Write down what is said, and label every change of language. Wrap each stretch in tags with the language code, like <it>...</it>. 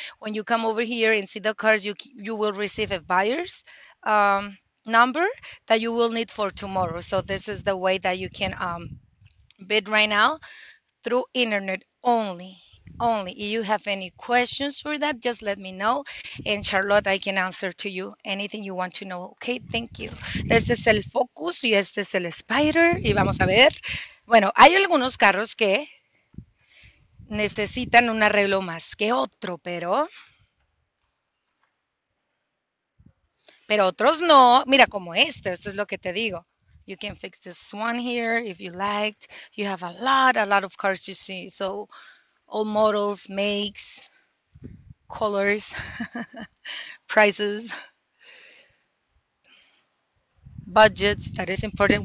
<en>When you come over here and see the cars, you will receive a buyer's number that you will need for tomorrow. So this is the way that you can bid right now through internet only. Only if you have any questions for that, just let me know, and Charlotte, I can answer to you anything you want to know. Okay, thank you.</en> <es>Este es el Focus y este es el Spider. Y vamos a ver. Bueno, hay algunos carros que necesitan un arreglo más que otro, pero otros no. Mira, como este, esto es lo que te digo.</es> <en>You can fix this one here if you liked. You have a lot of cars, you see. So all models, makes, colors, prices, budgets, that is important.</en>